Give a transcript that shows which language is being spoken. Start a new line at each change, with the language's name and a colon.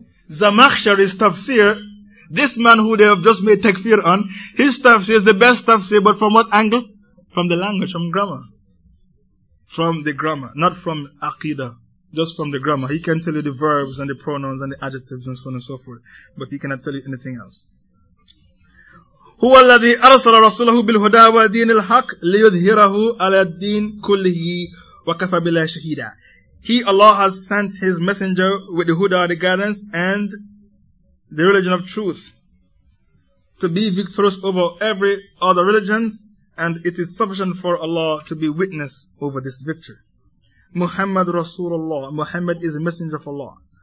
English: Zamakhshari's tafsir, this man who they have just made takfir on, his tafsir is the best tafsir, but from what angle? From the language, from grammar. From the grammar, not from Aqidah, just from the grammar. He can tell you the verbs and the pronouns and the adjectives and so on and so forth, but he cannot tell you anything else.
Arabic: هو الذي أرسل رسوله بالهدى ودين الحق ليظهره على الدين كله وكفى بالله شهيدا.
English: He, Allah, has sent His Messenger with the Huda, the guidance, and the religion of truth to be victorious over every other religions. And it is sufficient for Allah to be witness over this victory. Muhammad Rasulullah. Muhammad is a messenger of Allah.